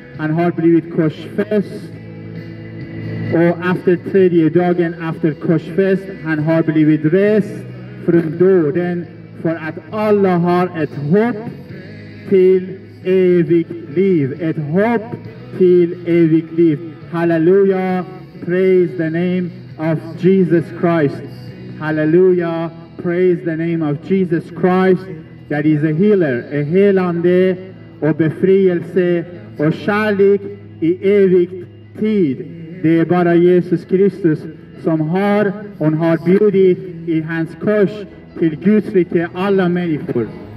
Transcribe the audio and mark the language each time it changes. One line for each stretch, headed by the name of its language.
Swedish: Han har blivit korsfäst. Och efter tredje dagen efter korsfäst, han har blivit rest från döden för att alla har ett hopp till evigt liv. Ett hopp till evigt liv. Halleluja.
English: Praise the name of Jesus Christ. Hallelujah. Praise the name of Jesus Christ. That is a healer,
Swedish: a helande, och befrielse, och kärlek i evigt tid. Det är bara Jesus Kristus som har, och har bjudit i hans kors till Guds rike alla människor.